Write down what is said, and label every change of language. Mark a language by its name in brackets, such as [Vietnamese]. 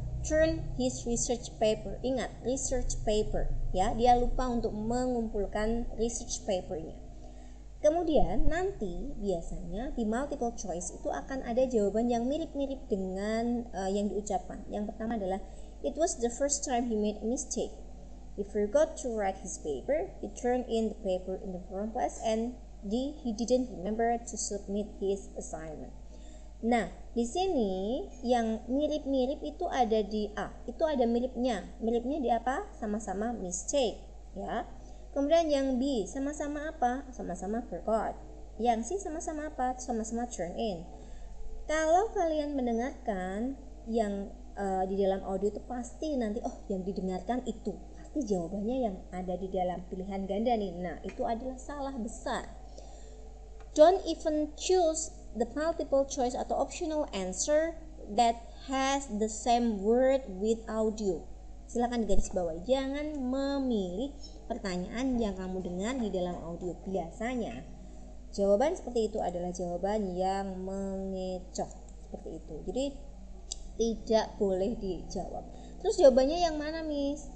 [English] Turn his research paper. Ingat, research paper. [Indonesian] Ya, dia lupa untuk mengumpulkan research papernya. Kemudian nanti biasanya di multiple choice itu akan ada jawaban yang mirip-mirip dengan yang diucapkan. Yang pertama adalah [English] it was the first time he made a mistake. He forgot to write his paper, he turned in the paper in the wrong place, and he didn't remember to submit his assignment. [Indonesian] Nah, di sini yang mirip-mirip itu ada di A, itu ada miripnya. Miripnya di apa? Sama-sama mistake, ya. Kemudian yang B, sama-sama apa? Sama-sama forgot. Yang C, sama-sama apa? Sama-sama turn in. Kalau kalian mendengarkan yang di dalam audio itu pasti nanti, oh yang didengarkan itu. Ini jawabannya yang ada di dalam pilihan ganda nih. Nah, itu adalah salah besar. [English] Don't even choose the multiple choice atau optional answer that has the same word with audio. [Indonesian] Silakan garis bawahi, jangan memilih pertanyaan yang kamu dengar di dalam audio. Biasanya jawaban seperti itu adalah jawaban yang mengecoh seperti itu. Jadi tidak boleh dijawab. Terus jawabannya yang mana, Miss?